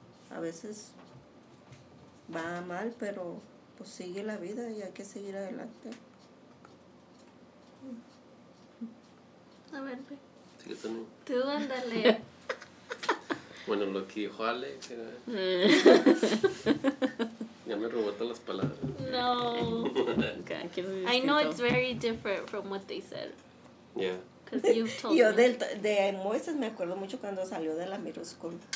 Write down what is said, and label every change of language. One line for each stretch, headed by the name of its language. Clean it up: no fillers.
Spanish: A veces va mal, pero pues sigue la vida y hay que seguir adelante. A ver, sí, que tú, no. Tú, ándale. Bueno, lo que dijo Ale, ya me robó todas las palabras. No.
English: Okay, I know it's very different from what they said. Yeah. Because you've told
Spanish: me. Yo de Moises me acuerdo mucho cuando salió de la middle school.